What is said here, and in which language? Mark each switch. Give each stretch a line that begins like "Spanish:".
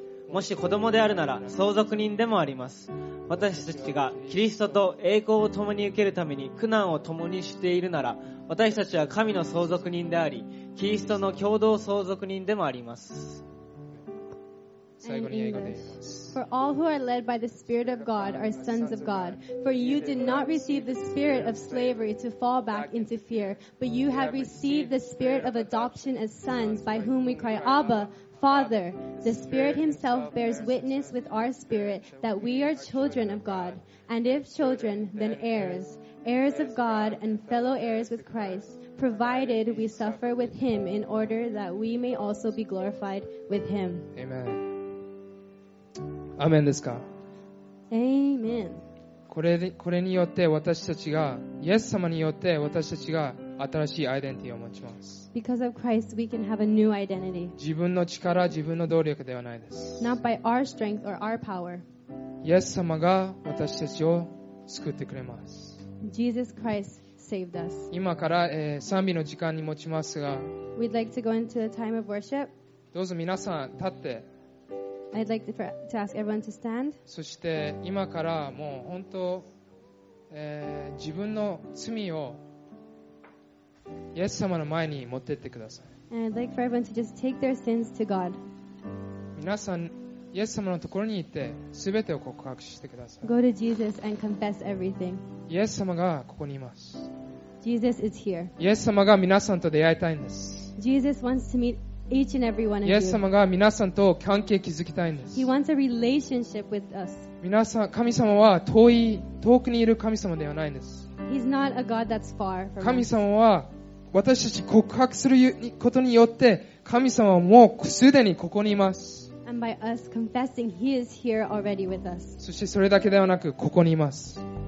Japanese: もし子供であるなら相続人でもあります。私たちがキリストと栄光を共に受けるために苦難を共にしているなら、私たちは神の相続人でありキリストの共同相続人でもあります。最後に英語で言います。
English: For all who are led by the Spirit of God are sons of God. For you did not receive the spirit of slavery to fall back into fear, but you have received the spirit of adoption as sons, by whom we cry, Abba, Father. The Spirit Himself bears witness with our spirit that we are children of God. And if children, then heirs, heirs of God and fellow heirs with Christ, provided we suffer with Him in order that we may also be glorified with Him.
Japanese: Amen. アメンですか。
English: Amen.
Japanese: これによって私たちが、イエス様によって私たちが新しいアイデンティティを持ちます。
English: Because of Christ, we can have a new identity.
Japanese: 自分の力、自分の努力ではないです。
English: Not by our strength or our power.
Japanese: イエス様が私たちを救ってくれます。
English: Jesus Christ saved us.
Japanese: 今から、賛美の時間に持ちますが、
English: We'd like to go into a time of worship.
Japanese: どうぞ皆さん立って、
English: I'd like to ask everyone to stand.
Japanese: そして今からもう本当、自分の罪をイエス様の前に持ってってください。
English: And I'd like for everyone to just take their sins to God.
Japanese: 皆さんイエス様のところに行って全てを告白してください。
English: Go to Jesus and confess everything.
Japanese: イエス様がここにいます。
English: Jesus is here.
Japanese: イエス様が皆さんと出会いたいんです。
English: Jesus wants to meet. Each and every one of you.
Japanese: イエス様が皆さんと関係を築きたいんです。
English: He wants a relationship with us.
Japanese: 皆さん、神様は遠くにいる神様ではないんです。
English: He's not a God that's far from us.
Japanese: 神様は私たち告白することによって神様はもうすでにここにいます。
English: And by us confessing, He is here already with us.
Japanese: そしてそれだけではなくここにいます。